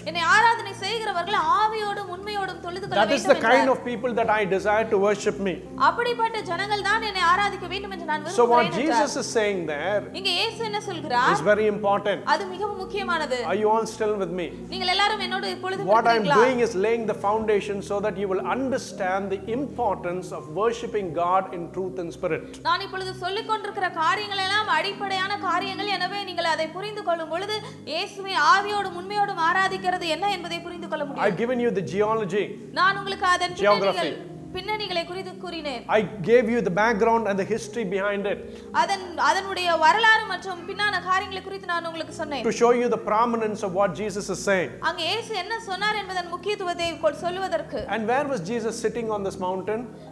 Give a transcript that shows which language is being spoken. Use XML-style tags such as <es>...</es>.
<ta>என்னை ஆராதனை செய்கிறவர்கள் ஆவியோடும் உண்மையோடும் தொழுது கொள்ள வேண்டும்.</ta> <en>That is the kind of people that I desire to worship me.</en> <ta>அப்படிப்பட்ட ஜனங்கள் தான் என்னை ஆராதிக்க வேண்டும் என்று நான் விரும்புகிறேன்.</ta> <en>So what Jesus is saying there.</en> <ta>இங்கே இயேசு என்ன சொல்கிறார்?</ta> <en>It's very important.</en> <ta>அது மிகவும் முக்கியமானது</ta> <en>Are you all still with me?</en> <ta>நீங்கள் எல்லாரும் என்னோடு இப்பொழுது இருக்கிறீர்களா?</ta> <en>What I'm doing is laying the foundation so that you will understand the importance of worshiping God in truth and spirit.</en> <ta>நான் இப்பொழுது சொல்லிக் கொண்டிருக்கிற காரியங்கள் எல்லாம் அடிப்படையான காரியங்கள் எனவே நீங்கள் அதை புரிந்துகொள்ளும் பொழுது இயேசுவை ஆவியோடும் உண்மையோடும் ஆராதிக்கிறது என்ன என்பதை புரிந்துகொள்ள முடியும்.</ta> <en>I've given you the geology.</en> <ta>நான் உங்களுக்கு அதன்</ta> <en>geography</en> <ta>பின்னணிகளை குறித்து கூறினேன்.</ta> <en>I gave you the background and the history behind it.</en> <ta>அதனுடைய வரலாறு மற்றும் பின்னான காரியங்களை குறித்து நான் உங்களுக்கு சொன்னேன்.</ta> <en>To show you the prominence of what Jesus is saying.</en> <ta>அங்க இயேசு என்ன சொன்னார் என்பதன் முக்கியத்துவத்தை சொல்வதற்கு.</ta> <en>And where was Jesus sitting on this mountain?</en>